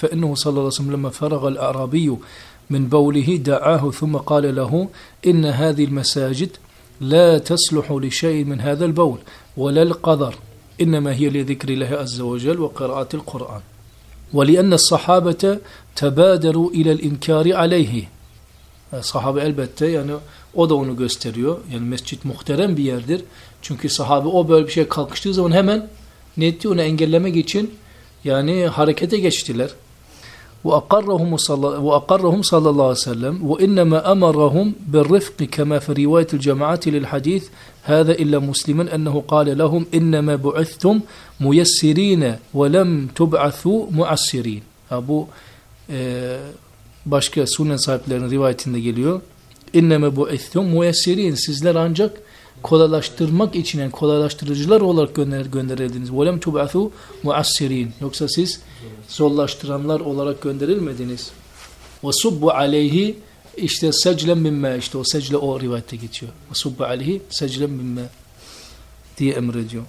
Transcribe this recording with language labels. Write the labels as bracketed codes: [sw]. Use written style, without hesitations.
[ar] فإنه صلى الله عليه وسلم لما فرغ الأعرابي من بوله دعاه ثم قال له إن هذه المساجد لا تصلح لشيء من هذا البول ولا القذر إنما هي لذكر الله عز وجل وقراءة القرآن ولأن الصحابة تبادروا إلى الإنكار عليه. [tr] صحابة elbette yani o da onu gösteriyor. Yani mescit muhterem bir yerdir. Çünkü sahabe o böyle bir şey kalkıştığı zaman hemen ne etti? Onu engellemek için yani harekete geçtiler. [ar] وأقرهم صلى الله عليه وسلم وإنما أمرهم بالرفق كما في رواية الجماعة للحديث هذا إلا مسلما أنه قال لهم إنما بعثتم ميسرين ولم تبعثوا معسرين. [tr] أبو başka sünnet sahiplerinin rivayetinde geliyor. [ar] إنما بعثتم ميسرين, [tr] sizler ancak kolaylaştırmak için yani kolaylaştırıcılar olarak gönderildiniz. [ar] وَلَمْ تُبْعَثُوا مُعَسِّر۪ينَ, [tr] yoksa siz zorlaştıranlar olarak gönderilmediniz. [ar] وَسُبُّ عَلَيْهِ [tr] işte [ar] سَجْلًا مِمَّا, [tr] işte o secle o rivayette geçiyor. [ar] وَسُبُّ عَلَيْهِ سَجْلًا مِمَّا [tr] diye emrediyor.